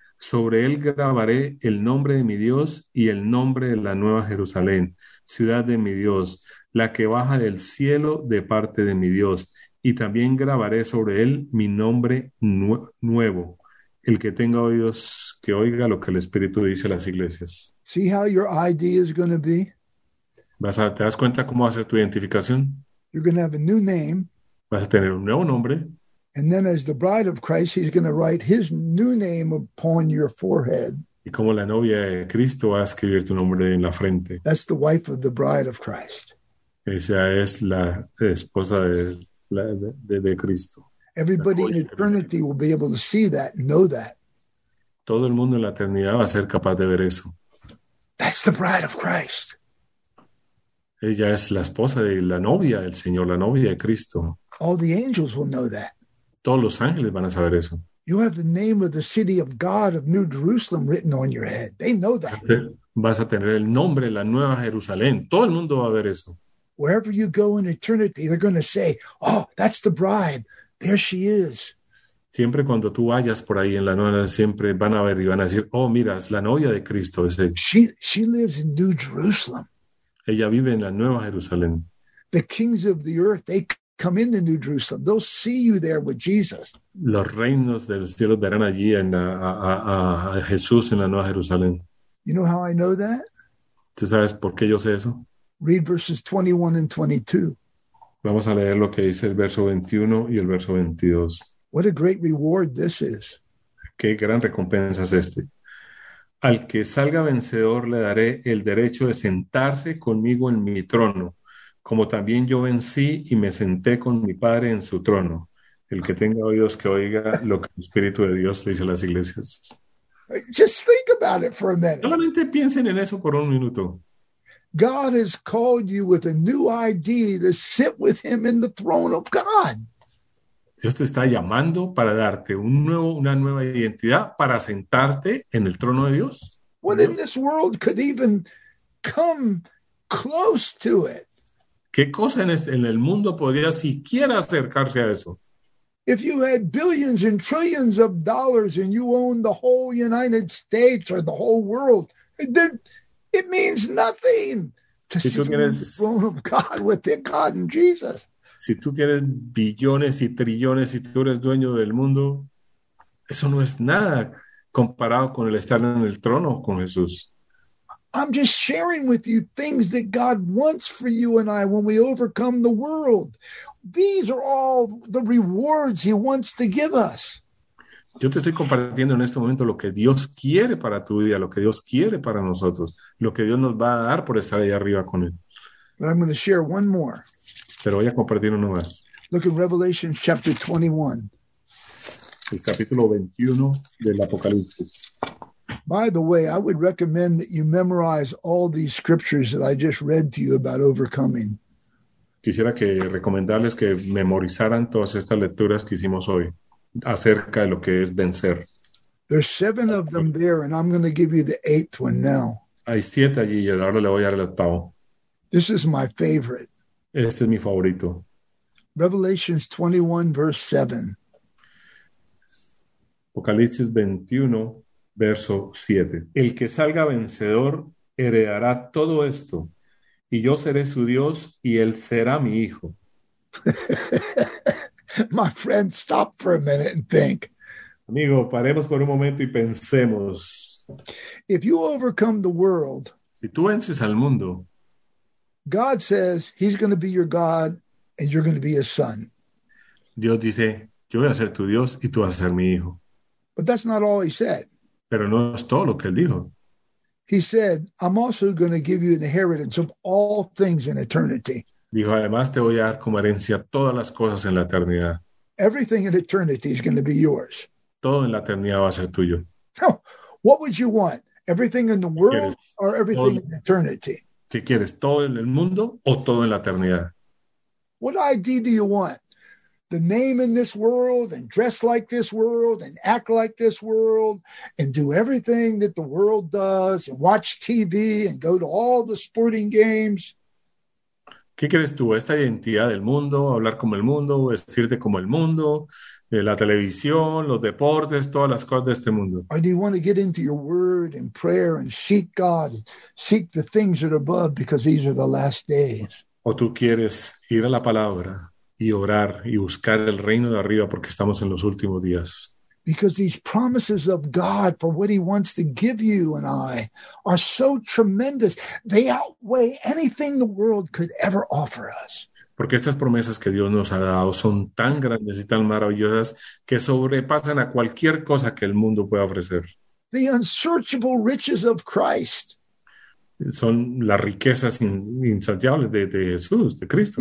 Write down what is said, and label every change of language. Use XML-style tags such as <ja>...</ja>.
<es>Sobre él grabaré el nombre de mi Dios y el nombre de la Nueva Jerusalén, ciudad de mi Dios, la que baja del cielo de parte de mi Dios, y también grabaré sobre él mi nombre nuevo. El que tenga oídos, que oiga lo que el Espíritu dice a las iglesias.</es> <en>See how your ID is going to be?</en> <es>¿Te das cuenta cómo va a ser tu identificación?</es> <en>You're going to have a new name.</en> <es>Vas a tener un nuevo nombre.</es> <en>And then as the bride of Christ, he's going to write his new name upon your forehead.</en> <es>Y como la novia de Cristo va a escribir tu nombre en la frente.</es> <en>That's the wife of the bride of Christ.</en> <es>Esa es la esposa de Cristo.</es> <en>Everybody in eternity will be able to see that, know that.</en> <es>Todo el mundo en la eternidad va a ser capaz de ver eso.</es> <en>That's the bride of Christ.</en> <es>Ella es la esposa de la novia del Señor, la novia de Cristo.</es> <en>All the angels will know that.</en> <es>Todos los ángeles van a saber eso.</es> <en>You have the name of the city of God of New Jerusalem written on your head. They know that.</en> <es>Vas a tener el nombre de la Nueva Jerusalén. Todo el mundo va a ver eso.</es> <en>Wherever you go in eternity, they're going to say, oh, that's the bride. There she is.</en> <es>Siempre cuando tú vayas por ahí en la nueva, siempre van a ver y van a decir, oh, mira, es la novia de Cristo. Es ella.</es> <en>She lives in New Jerusalem.</en> <es>Ella vive en la Nueva Jerusalén.</es> <en>The kings of the earth, they come in the New Jerusalem. They'll see you there with Jesus.</en> <es>Los reinos del cielo verán allí en Jesús en la Nueva Jerusalén.</es> <en>You know how I know that?</en> <es>¿Tú sabes por qué yo sé eso?</es> <en>Read verses 21 and 22.</en> <es>Vamos a leer lo que dice el verso 21 y el verso 22.</es> <en>What a great reward this is.</en> <es>Qué gran recompensa es este. Al que salga vencedor le daré el derecho de sentarse conmigo en mi trono, como también yo vencí y me senté con mi Padre en su trono. El que tenga oídos que oiga lo que el Espíritu de Dios le dice a las iglesias.</es> <en>Just think about it for a minute.</en> <es>Solamente piensen en eso por un minuto.</es> <en>God has called you with a new ID to sit with him in the throne of God.</en> <es>Dios te está llamando para darte una nueva identidad para sentarte en el trono de Dios.</es> <en>What in this world could even come close to it?</en> <es>¿Qué cosa en el mundo podría siquiera acercarse a eso?</es> <en>If you had billions and trillions of dollars and you owned the whole United States or the whole world, then it means nothing to sit on the throne of God with God and Jesus.</en> <es>Si tú tienes billones y trillones y tú eres dueño del mundo, eso no es nada comparado con el estar en el trono con Jesús.</es> <en>I'm just sharing with you things that God wants for you and I when we overcome the world. These are all the rewards he wants to give us.</en> <es>Yo te estoy compartiendo en este momento lo que Dios quiere para tu vida, lo que Dios quiere para nosotros, lo que Dios nos va a dar por estar ahí arriba con él.</es> <en>But I'm going to share one more.</en> <es>Pero voy a compartir uno más.</es> <en>Look at Revelation chapter 21.</en> <es>El capítulo 21 del Apocalipsis.</es> <en>By the way, I would recommend that you memorize all these scriptures that I just read to you about overcoming.</en> <es>quisiera que recomendarles que memorizaran todas estas lecturas que hicimos hoy acerca de lo que es vencer.</es> <en>There's seven of them there, and I'm going to give you the eighth one now.</en> <es>Hay siete allí y ahora le voy a dar el octavo.</es> <en>This is my favorite.</en> <es>Este es mi favorito.</es> <en>Revelations 21, verse 7.</en> <es>Apocalipsis 21, verso 7. El que salga vencedor heredará todo esto, y yo seré su Dios, y él será mi hijo.</es> <en>My friend, stop for a minute and think.</en> <es>Amigo, paremos por un momento y pensemos.</es> <en>If you overcome the world,</en> <es>si tú vences al mundo,</es> <en>God says he's going to be your God and you're going to be his son.</en> <es>Dios dice, yo voy a ser tu Dios y tú vas a ser mi hijo.</es> <en>But that's not all he said.</en> <es>Pero no es todo lo que él dijo.</es> <en>He said, I'm also going to give you an inheritance of all things in eternity.</en> <es>Dijo, además te voy a dar como herencia todas las cosas en la eternidad.</es> <en>Everything in eternity is going to be yours.</en> <es>Todo en la eternidad va a ser tuyo.</es> <en>No. What would you want? Everything in the world or everything in eternity?</en> <es>¿Qué quieres? ¿Todo en el mundo o todo en la eternidad?</es> <en>What ID do you want? The name in this world and dress like this world and act like this world and do everything that the world does and watch TV and go to all the sporting games.</en> <es>¿Qué quieres tú? ¿Esta identidad del mundo? ¿Hablar como el mundo? ¿Vestirte como el mundo? La televisión, los deportes, todas las cosas de este mundo.</es> <en>Or do you want to get into your word and prayer and seek God, seek the things that are above because these are the last days?</en> <es>O tú quieres ir a la palabra y orar y buscar el reino de arriba porque estamos en los últimos días.</es> <en>Because these promises of God for what he wants to give you and I are so tremendous, they outweigh anything the world could ever offer us.</en> <es>Porque estas promesas que Dios nos ha dado son tan grandes y tan maravillosas que sobrepasan a cualquier cosa que el mundo pueda ofrecer.</es> <en>The unsearchable riches of Christ.</en> <es>Son las riquezas insaciables de Jesús, de Cristo.</es>